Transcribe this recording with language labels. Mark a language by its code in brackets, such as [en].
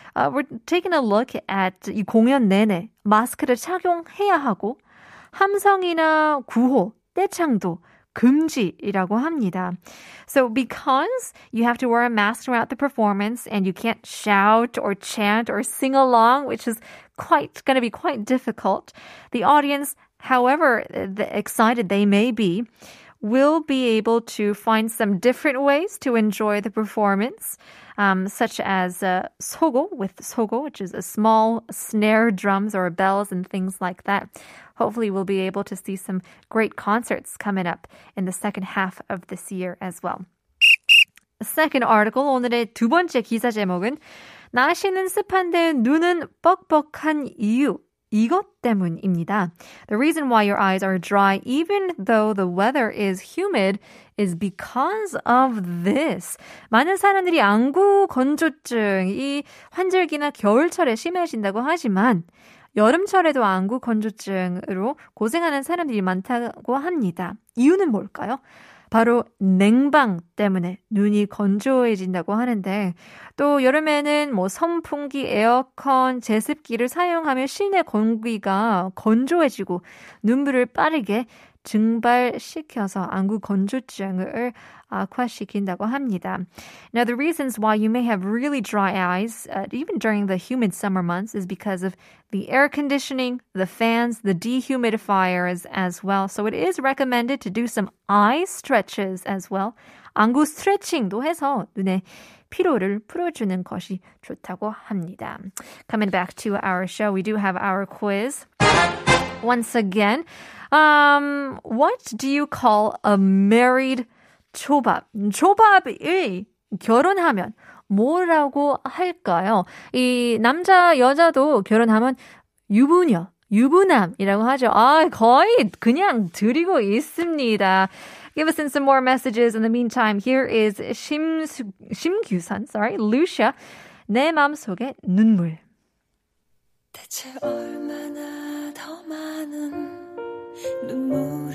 [en] We're taking a look at [ko] 이 공연 내내 마스크를 착용해야 하고 함성이나 구호 대창도 금지이라고 합니다. [en] So because you have to wear a mask throughout the performance and you can't shout or chant or sing along, which is going to be quite difficult, the audience, however excited they may be, will be able to find some different ways to enjoy the performance, such as sogo, with sogo, which is a small snare drums or bells and things like that. Hopefully we'll be able to see some great concerts coming up in the second half of this year as well. Second article, [ko] 오늘의 두 번째 기사 제목은 날씨는 습한데 눈은 뻑뻑한 이유. 이것 때문입니다. [en] The reason why your eyes are dry even though the weather is humid is because of this. [ko] 많은 사람들이 안구 건조증이 환절기나 겨울철에 심해진다고 하지만 여름철에도 안구 건조증으로 고생하는 사람들이 많다고 합니다. 이유는 뭘까요? 바로 냉방 때문에 눈이 건조해진다고 하는데 또 여름에는 뭐 선풍기, 에어컨, 제습기를 사용하면 실내 공기가 건조해지고 눈물을 빠르게 증발시켜서 안구 건조증을 악화시킨다고 합니다. [en] Now the reasons why you may have really dry eyes even during the humid summer months is because of the air conditioning, the fans, the dehumidifiers as well. So it is recommended to do some eye stretches as well. [ko] 안구 스트레칭도 해서 눈에 피로를 풀어주는 것이 좋다고 합니다. [en] Coming back to our show, we do have our quiz. Once again, what do you call a married 초밥? [ko] 초밥이 결혼하면 뭐라고 할까요? 이 남자, 여자도 결혼하면 유부녀, 유부남이라고 하죠. 아, 거의 그냥 드리고 있습니다. [en] Give us in some more messages. In the meantime, here is 심규선, sorry, Lucia. [ko] 내 마음속에 눈물. 대체 얼마나 더 많은 눈물.